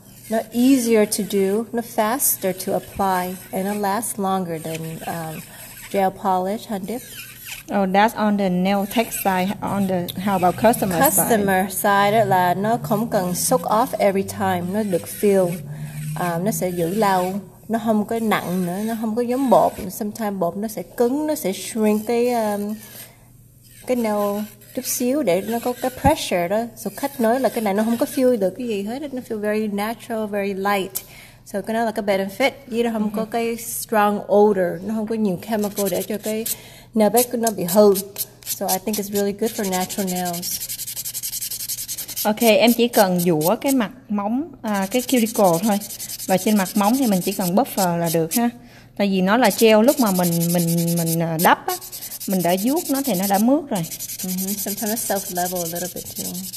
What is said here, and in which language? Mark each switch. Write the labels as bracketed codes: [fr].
[en] Nó easier to do, nó faster to apply, and it lasts longer than gel polish, hand dip. Oh, that's on the nail tech side. On the how about customer side? [vi] Customer side là nó không cần soak off every time, nó được feel, nó sẽ giữ lâu, nó không có nặng nữa, nó không có giống bột. Sometimes bột nó sẽ cứng, nó sẽ shrink cái nail chút xíu để nó có cái pressure đó. So khách nói là cái này nó không có feel được cái gì hết, nó feel very natural, very light. So cái này là cái benefit, chứ nó không có cái strong odor, nó không có nhiều chemical để cho cái nail bed của nó bị hư. [en] So I think it's really good for natural nails. [vi] Ok, em chỉ cần dũa cái mặt móng, cái cuticle thôi. Và trên mặt móng thì mình chỉ cần buffer là được ha. Tại vì nó là gel, lúc mà mình đắp á, mình đã vuốt nó thì nó đã mướt rồi. [en] Sometimes it's self-level a little bit too.